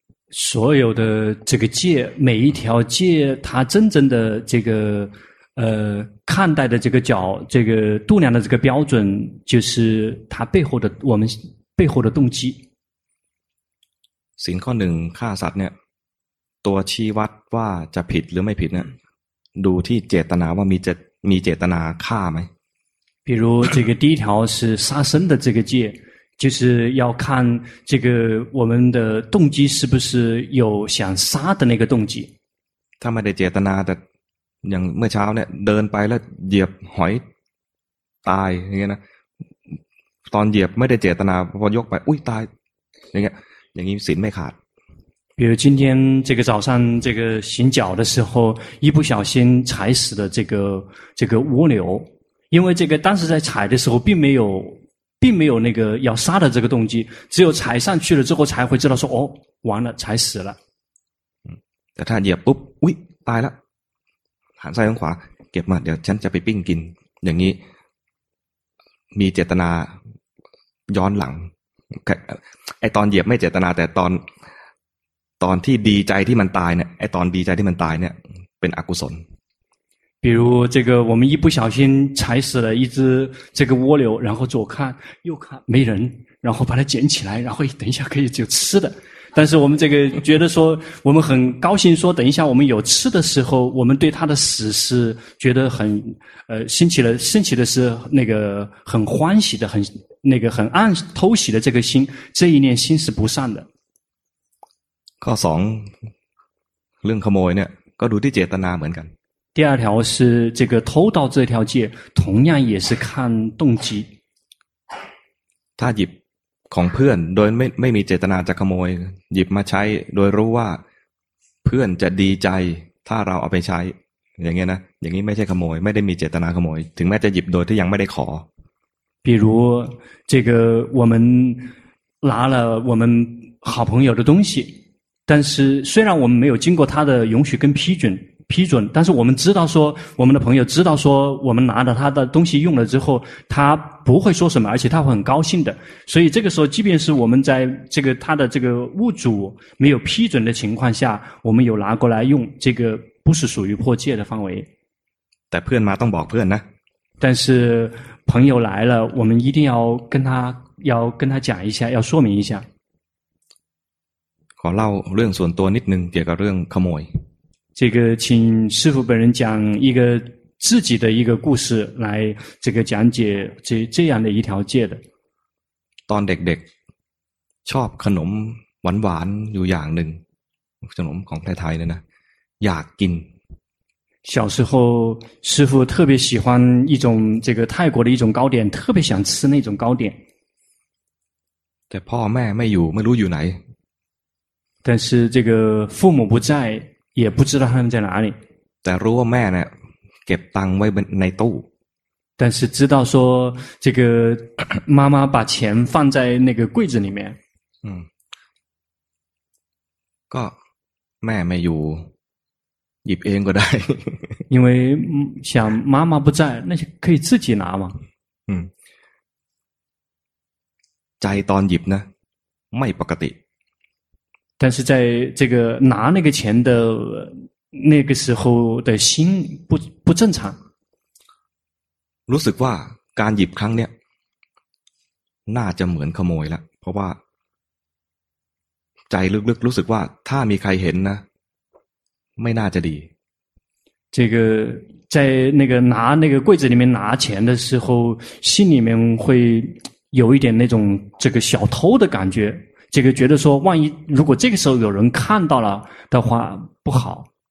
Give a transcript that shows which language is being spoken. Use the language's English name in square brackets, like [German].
[Chinese] 所有的这个戒每一条戒它真正的这个看待的这个角这个度量的这个标准就是它背后的我们背后的动机 [Thai] สิ่งข้อหนึ่งฆ่าสัตว์เนี่ยตัวชี้วัดว่าจะผิดหรือไม่ผิดเนี่ยดูที่เจตนาว่ามีเจตนาฆ่าไหม [Chinese] 比如这个第一条是杀生的这个戒就是要看这个我们的动机是不是有想杀的那个动机 [Thai] ถ้าไม่ได้เจตนาแต่อย่างเมื่อเช้าเนี่ยเดินไปแล้วเหยียบหอยตายอย่างเงี้ยนะตอนเหยียบไม่ได้เจตนาพอยกไปอุ้ยตายอย่างเงี้ยอย่างนี้ศีลไม่ขาด [Chinese] 比如今天这个早上这个行脚的时候，一不小心踩死了这个蜗牛，因为这个当时在踩的时候并没有那个要杀的这个动机，只有踩上去了之后才会知道说哦，完了，踩死了。 [Thai] 嗯，แต่ถ้าเหยียบปุ๊บอุ้ยตายแล้วหันซ้ายหันขวาเก็บมาเดี๋ยวฉันจะไปปิ้งกินอย่างนี้มีเจตนาย้อนหลังไอตอนเหยียบไม่เจตนาแต่ตอนที่ดีใจที่มันตายเนี่ยไอตอนดีใจที่มันตายเนี่ยเป็นอกุศล [Chinese] 比如这个我们一不小心踩死了一只这个蜗牛然后左看右看没人然后把它捡起来然后等一下可以就吃的但是我们这个觉得说我们很高兴说等一下我们有吃的时候我们对他的死是觉得很升起的是那个很欢喜的很那个很暗偷喜的这个心这一念心是不善的 [Thai] ข้อสองเรื่องขโมยเนี่ยก็ดูที่เจตนาเหมือนกัน [Chinese] 第二条是这个偷盗这条戒同样也是看动机 [Thai] ถ้าหยิบของเพื่อนโดยไม่มีเจตนาจะขโมยหยิบมาใช้โดยรู้ว่าเพื่อนจะดีใจถ้าเราเอาไปใช้อย่างเงี้ยนะอย่างนี้ไม่ใช่ขโมยไม่ได้มีเจตนาขโมยถึงแม้จะหยิบโดยที่ยังไม่ได้ข [Chinese] อ比如这个我们拿了我们好朋友的东西但是虽然我们没有经过他的允许跟批准但是我们知道说我们的朋友知道说我们拿了他的东西用了之后他不会说什么而且他会很高兴的所以这个时候即便是我们在这个他的这个物主没有批准的情况下我们有拿过来用这个不是属于破戒的范围 [Thai] แต่เพื่อนมาต้องบอกเพื่อนนะ [Chinese] 但是朋友来了我们一定要跟他讲一下要说明一下 [Thai] ขอเล่าเรื่องส่วนตัวนิดนึงเกี่ยวกับเรื่องขโมย [Chinese] 这个请师父本人讲一个自己的一个故事来这个讲解这样的一条戒的 [Thai] ตอนเด็กๆชอบขนมหวานๆอยู่อย่างหนึ่งขนมของไทยๆเลยนะอยากกิน [Chinese] 小时候师父特别喜欢一种这个泰国的一种糕点特别想吃那种糕点 [Thai] แต่พ่อแม่ไม่อยู่ไม่รู้อยู่ไหน [Chinese] 但是这个父母不在也不知道他们在哪里 [Thai] แต่รู้ว่าแม่เนี่ยเก็บตังค์ไว้ในตู้ [Chinese] 但是知道说这个妈妈把钱放在那个柜子里面 [Thai] ก็แม่ไม่อยู่หยิบเองก็ได้ [Chinese] 因为想妈妈不在那可以自己拿嘛 [Thai] ใจตอนหยิบนะไม่ปกติ [Chinese] 但是在这个拿那个钱的那个时候的心不正常 [Thai] รู้สึกว่าการหยิบครั้งเนี้ยน่าจะเหมือนขโมยละเพราะว่าใจลึกๆรู้สึกว่าถ้ามีใครเห็นนะไม่น่าจะดี [Chinese] 这个在那个拿那个柜子里面拿钱的时候心里面会有一点那种这个小偷的感觉这个觉得说万一如果这个时候有人看到了的话不好